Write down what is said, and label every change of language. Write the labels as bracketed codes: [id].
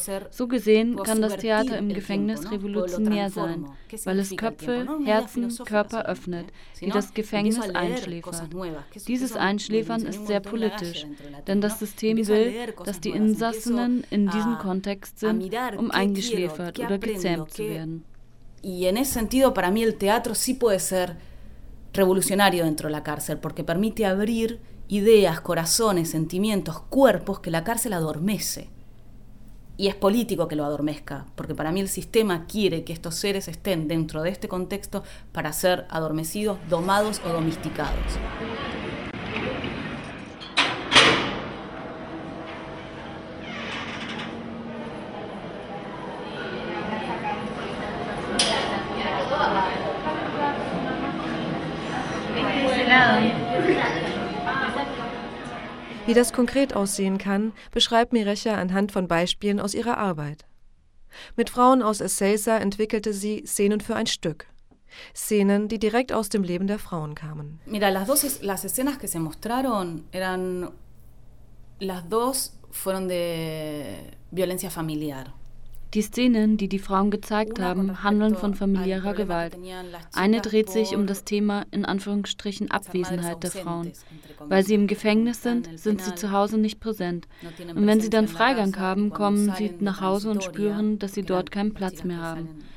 [de] So gesehen kann das Theater im Gefängnis revolutionär sein, weil es Köpfe, Herzen, Körper öffnet, die das Gefängnis einschläfern. Dieses Einschläfern ist sehr politisch, denn das System will, dass die Insassen in diesem Kontext sind, um eingeschläfert oder gezähmt zu werden. [es] Y en ese sentido para mí el teatro sí puede ser revolucionario dentro de la cárcel, porque permite abrir ideas, corazones, sentimientos, cuerpos que la cárcel adormece. Y es político que lo adormezca, porque para mí el sistema quiere que estos seres estén dentro de este contexto para ser adormecidos, domados o domesticados. Sí. [de] Wie das konkret aussehen kann, beschreibt Mirecha anhand von Beispielen aus ihrer Arbeit. Mit Frauen aus Ezeiza entwickelte sie Szenen für ein Stück. Szenen, die direkt aus dem Leben der Frauen kamen. [es] Mira, las escenas que se mostraron eran las dos fueron de violencia familiar. [de] Die Szenen, die die Frauen gezeigt haben, handeln von familiärer Gewalt. Eine dreht sich um das Thema, in Anführungsstrichen, Abwesenheit der Frauen. Weil sie im Gefängnis sind, sind sie zu Hause nicht präsent. Und wenn sie dann Freigang haben, kommen sie nach Hause und spüren, dass sie dort keinen Platz mehr haben.